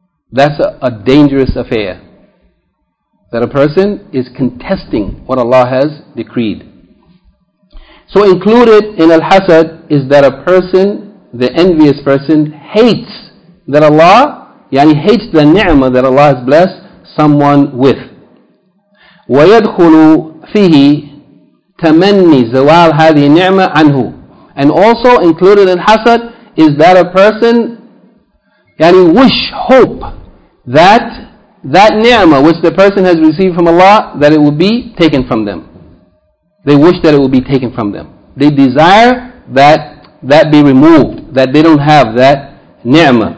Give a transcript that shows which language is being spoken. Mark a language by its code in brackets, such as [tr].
[en] That's a dangerous affair. That a person is contesting what Allah has decreed. So included in al-hasad is that a person, the envious person, hates that Allah, hates the ni'mah that Allah has blessed someone with. [ar] وَيَدْخُلُ فِيهِ تمني زوال هذه النعمة عنه. [en] And also included in hasad is that a person wish, hope that ni'mah which the person has received from Allah, that it will be taken from them. They wish that it will be taken from them. They desire that be removed, that they don't have that ni'mah.